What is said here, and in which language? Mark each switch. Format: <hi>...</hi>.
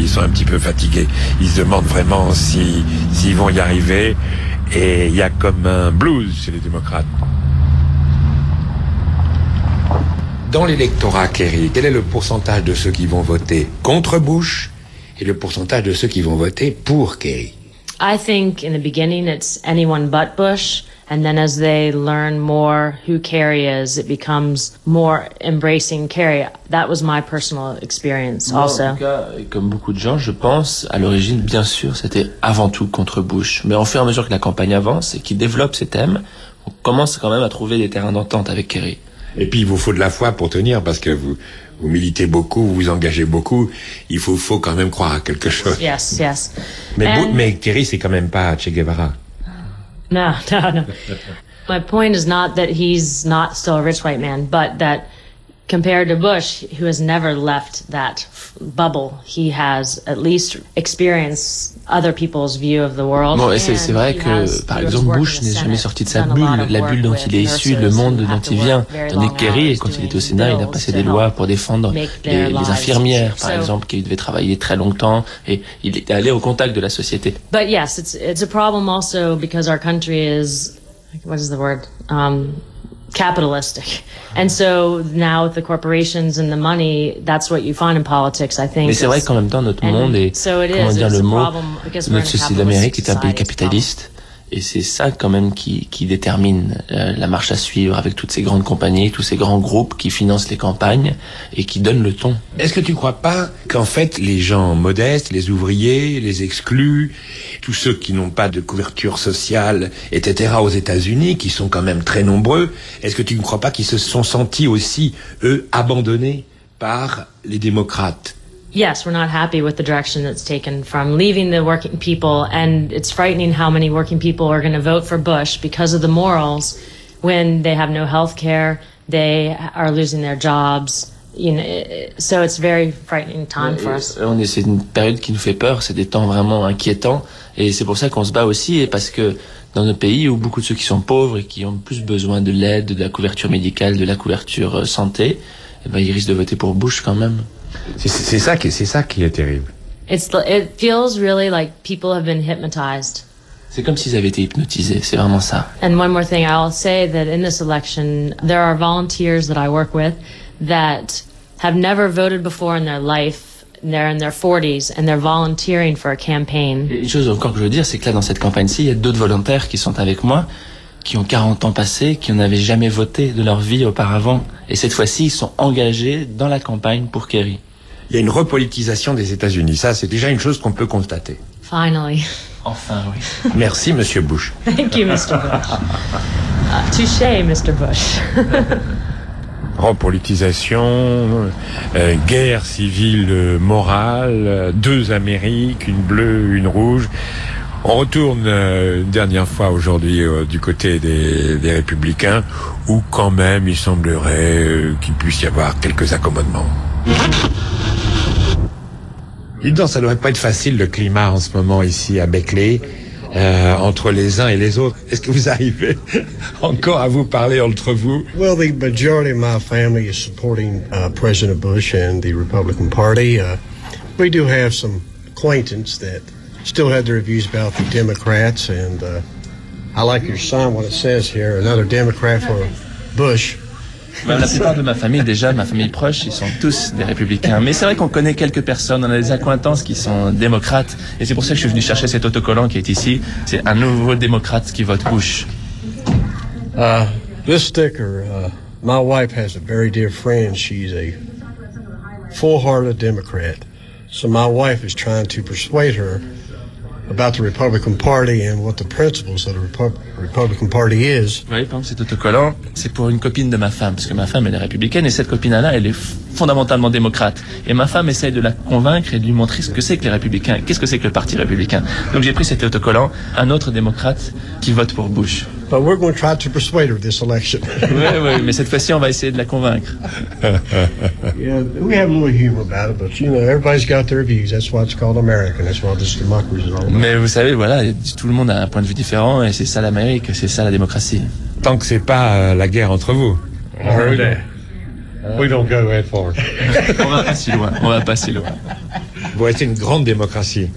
<fr>Ils sont un petit peu fatigués. Ils se demandent vraiment s'ils vont y arriver. Et il y a comme un blues chez les démocrates. Dans l'électorat, Kerry, quel est le pourcentage de ceux qui vont voter contre Bush? Et le pourcentage de ceux qui vont voter pour Kerry.</fr> <en>I think in the beginning it's anyone but Bush, and then as they learn more who Kerry is, it becomes more embracing Kerry. That was my personal experience also.</en> <fr>Moi, en tout cas, comme beaucoup de gens, je pense à l'origine, bien sûr, c'était avant tout contre Bush. Mais au fur et à mesure que la campagne avance et qu'il développe ses thèmes, on commence quand même à trouver des terrains d'entente avec Kerry. Et puis il vous faut de la foi pour tenir, parce que vous Vous militez beaucoup, vous vous engagez beaucoup. Il faut quand même croire à quelque chose.</fr> <en>Yes, yes.</en> <fr>Mais Thierry, c'est quand même pas Che Guevara.</fr> <en>No. My point is not that he's not still a rich white man, but that compared to Bush, who has never left that bubble, he has at least experienced other people's view of the world.</en> <fr>Bon, c'est vrai que, par exemple, Bush n'est jamais sorti de sa bulle, la bulle dont il est issu, le monde dont il vient. Tandis que Kerry, quand il était au Sénat, il a passé des lois pour défendre les infirmières, par exemple, qui devaient travailler très longtemps, et il est allé au contact de la société.</fr> <en>But yes, it's a problem also because our country is, what is the word? Capitalistic. And so now with the corporations and the money, that's what you find in politics, I think.</en> <fr>Mais c'est vrai qu'en même temps, notre monde est, so it comment is, dire le mot, notre société d'Amérique est un pays capitaliste. Et c'est ça quand même qui détermine la marche à suivre avec toutes ces grandes compagnies, tous ces grands groupes qui financent les campagnes et qui donnent le ton. Est-ce que tu ne crois pas qu'en fait, les gens modestes, les ouvriers, les exclus, tous ceux qui n'ont pas de couverture sociale, etc. aux États-Unis, qui sont quand même très nombreux, est-ce que tu ne crois pas qu'ils se sont sentis aussi, eux, abandonnés par les démocrates ?</fr> <en>Yes, we're not happy with the direction that's taken from leaving the working people, and it's frightening how many working people are going to vote for Bush because of the morals when they have no health care, they are losing their jobs. You know, so it's very frightening time for us.</en> <fr>On est, c'est une période qui nous fait peur, c'est des temps vraiment inquiétants, et c'est pour ça qu'on se bat aussi, et parce que dans notre pays où beaucoup de ceux qui sont pauvres et qui ont plus besoin de l'aide, de la couverture médicale, de la couverture santé, eh ben, ils risquent de voter pour Bush quand même. C'est ça qui est terrible.</fr> <en>It feels really like people have been hypnotized.</en> <fr>C'est comme s'ils avaient été hypnotisés, c'est vraiment ça.</fr> <en>And one more thing, I'll say that in this election, there are volunteers that I work with that have never voted before in their life, they're in their 40s, and they're volunteering for a campaign.</en> <fr>Et une chose encore que je veux dire, c'est que là, dans cette campagne-ci, il y a d'autres volontaires qui sont avec moi, qui ont 40 ans passés, qui n'avaient jamais voté de leur vie auparavant. Et cette fois-ci, ils sont engagés dans la campagne pour Kerry. Il y a une repolitisation des États-Unis. Ça, c'est déjà une chose qu'on peut constater.</fr> <en>Finally.</en> <fr>Enfin, oui. Merci, Monsieur Bush.</fr> <en>Thank you, Mr. Bush. Touché, Mr. Bush.</en> <fr>Repolitisation, guerre civile morale, deux Amériques, une bleue, une rouge. On retourne une dernière fois aujourd'hui du côté des républicains, où quand même il semblerait qu'il puisse y avoir quelques accommodements. Dis donc, ça ne devrait pas être facile le climat en ce moment ici à Beckley, entre les uns et les autres. Est-ce que vous arrivez encore à vous parler entre vous?</fr> <en>Well, the majority of my family is supporting President Bush and the Republican Party. We do have some acquaintances that still had their views about the Democrats, and I like your sign, what it says here, another Democrat for Bush.</en> <fr>La plupart de ma famille, déjà, ma famille proche, ils sont tous des républicains. Mais c'est vrai qu'on connaît quelques personnes, on a des acquaintances qui sont démocrates, et c'est pour ça que je suis venu chercher cet autocollant qui est ici. C'est un nouveau démocrate qui vote Bush.</fr> <en>This sticker, my wife has a very dear friend. She's a full-hearted Democrat. So my wife is trying to persuade her about the Republican Party and what the principles of the Republican Party is.</en> <fr>Oui, par exemple, cet autocollant, c'est pour une copine de ma femme, parce que ma femme, elle est républicaine, et cette copine-là, elle est fondamentalement démocrate. Et ma femme essaye de la convaincre et de lui montrer ce que c'est que les républicains, qu'est-ce que c'est que le parti républicain. Donc j'ai pris cet autocollant, un autre démocrate qui vote pour Bush.</fr> <en>But we're going to try to persuade her this election.</en> <fr>Oui, mais cette fois-ci, on va essayer de la convaincre.</fr> <en>Yeah, we have a little humor about it, but you know, everybody's got their views. That's why it's called America. That's why this democracy is all about.</en> <fr>Mais vous savez, voilà, tout le monde a un point de vue différent, et c'est ça l'Amérique, c'est ça la démocratie. Tant que c'est pas la guerre entre vous.</fr> <en>We don't go that far.</en> <fr>On va pas si loin. Vous êtes une grande démocratie.</fr>